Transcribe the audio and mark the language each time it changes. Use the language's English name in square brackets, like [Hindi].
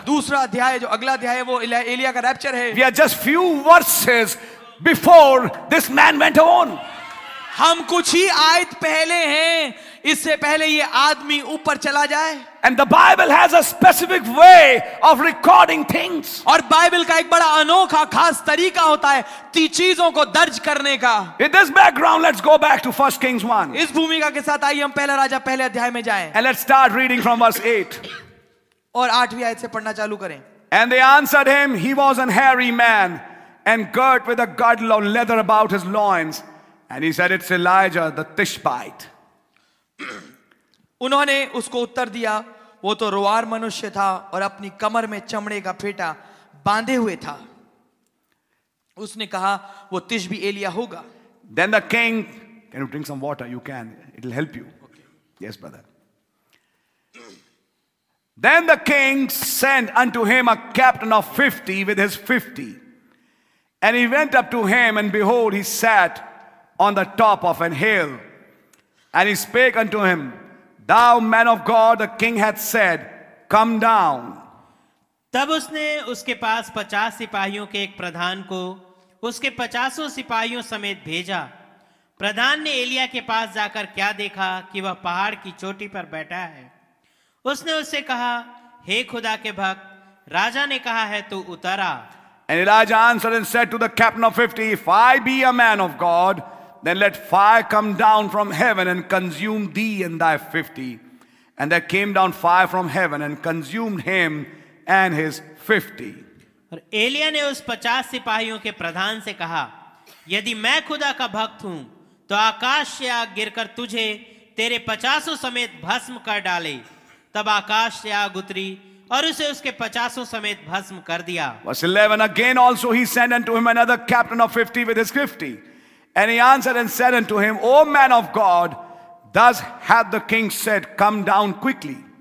[Hindi] दूसरा अध्याय जो अगला अध्याय है वो एलिया का रैप्चर है. [English] We are just few verses before this man went on. [Hindi] हम कुछ ही आयत पहले हैं इससे पहले ये आदमी ऊपर चला जाए. [English] And the Bible has a specific way of recording things. [Hindi] और बाइबल का एक बड़ा अनोखा खास तरीका होता है ती चीजों को दर्ज करने का. [English] With this background, let's go back to First Kings 1. [Hindi] इस भूमिका के साथ आइए हम पहला राजा पहले अध्याय में जाएं. [English] And let's start reading from verse 8. [Hindi] और आठवीं आयत से पढ़ना चालू करें. [English] And they answered him, he was an hairy man, and girt with a girdle of leather about his loins. And he said, it's Elijah the Tishbite. [Hindi] उन्होंने उसको उत्तर दिया वो तो रोआर मनुष्य था और अपनी कमर में चमड़े का फेटा बांधे हुए था. उसने कहा वो तिशबी एलिया होगा. [English] Then the king, can you drink some water? You can, it'll help you. Okay. Yes, brother. Then the king sent unto him a captain of 50 with his 50. And he went up to him and behold, he sat on the top of an hill. And he spake unto him, Thou man of God, the king hath said, come down. [Hindi] तब उसने उसके पास 50 सिपाहियों के एक प्रधान को उसके 50 सिपाहियों समेत भेजा। प्रधान ने एलिया के पास जाकर क्या देखा कि वह पहाड़ की चोटी पर बैठा है। उसने उससे कहा, हे खुदा के भक्त, राजा ने कहा है तू उतर आ। [English] And Elijah answered and said to the captain of 50, if I be a man of God, then let fire come down from heaven and consume thee and thy 50. And there came down fire from heaven and consumed him and his 50. [Hindi] और एलिया ने उस 50 सिपाहियों के प्रधान से कहा, यदि मैं खुदा का भक्त हूं, तो आकाश से आग गिरकर तुझे तेरे 50 समेत भस्म कर डाले। तब आकाश से आग उतरी और उसे उसके 50 समेत भस्म कर दिया। [English] Verse 11, again also he sent unto him another captain of 50 with his 50. And he answered and said unto him, O man of God, thus hath the king said, come down quickly.